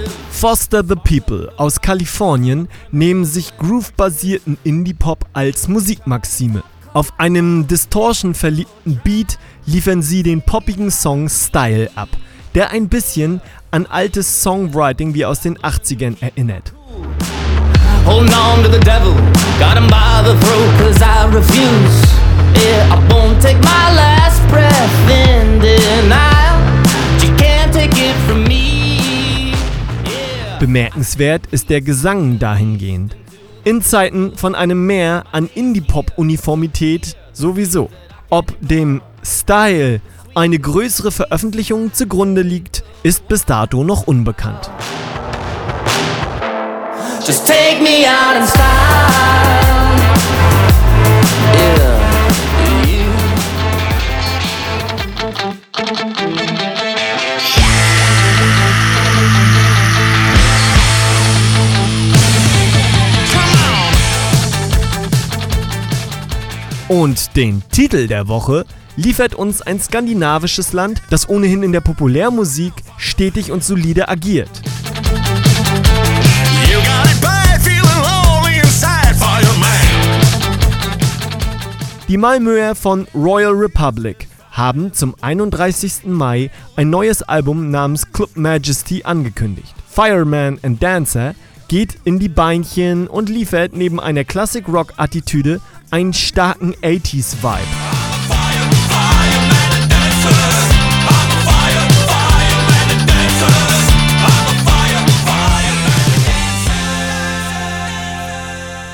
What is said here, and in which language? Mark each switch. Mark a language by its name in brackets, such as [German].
[German] Foster the People aus Kalifornien nehmen sich groove-basierten Indie-Pop als Musikmaxime. Auf einem Distortion-verliebten Beat liefern sie den poppigen Song Style ab, der ein bisschen an altes Songwriting wie aus den 80ern erinnert. [English] Hold on to the devil, got him by the throat, cause I refuse. Yeah, I won't take my last breath in denial. You can't take it from me. [German] Bemerkenswert ist der Gesang dahingehend. In Zeiten von einem Meer an Indie-Pop-Uniformität sowieso. Ob dem Style eine größere Veröffentlichung zugrunde liegt, ist bis dato noch unbekannt. [English] Just take me out in style. Yeah. [German] Und den Titel der Woche liefert uns ein skandinavisches Land, das ohnehin in der Populärmusik stetig und solide agiert. [English] You got it by feeling lonely inside, fireman. [German] Die Malmöer von Royal Republic haben zum 31. Mai ein neues Album namens Club Majesty angekündigt. Fireman and Dancer geht in die Beinchen und liefert neben einer Classic-Rock-Attitüde einen starken 80s-Vibe.